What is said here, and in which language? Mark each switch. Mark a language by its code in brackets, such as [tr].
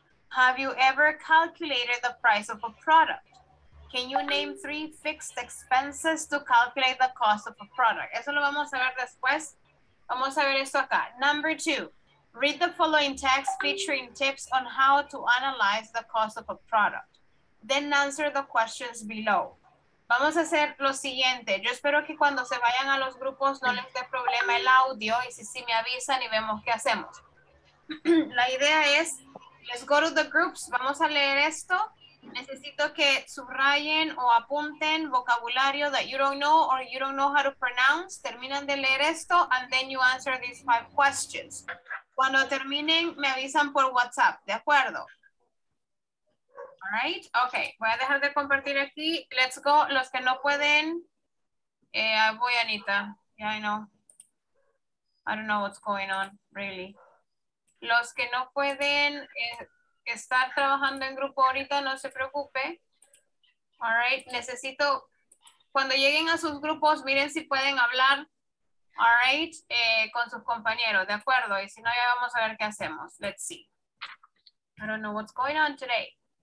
[en] Have you ever calculated the price of a product? Can you name three fixed expenses to calculate the cost of a product? [es] Eso lo vamos a ver después. Vamos a ver esto acá. [en] Number two, read the following text featuring tips on how to analyze the cost of a product. Then answer the questions below. [es] Vamos a hacer lo siguiente. Yo espero que cuando se vayan a los grupos no les dé problema el audio y si me avisan y vemos qué hacemos. La idea es, [en] let's go to the groups. [es] Vamos a leer esto. Necesito que subrayen o apunten vocabulario [en] that you don't know or you don't know how to pronounce. [es] Terminan de leer esto [en] and then you answer these five questions. [es] Cuando terminen, me avisan por WhatsApp, ¿de acuerdo? [en] All right, okay, [es] voy a dejar de compartir aquí. [en] Let's go, [es] los que no pueden, voy Anita, [en] yeah, I know. I don't know what's going on, really. [es] Los que no pueden estar trabajando en grupo ahorita, no se preocupe. All right, necesito, cuando lleguen a sus grupos, miren si pueden hablar, [en] all right, [es] con sus compañeros, ¿de acuerdo? Y si no, ya vamos a ver qué hacemos. [en] Let's see. I don't know what's going on today.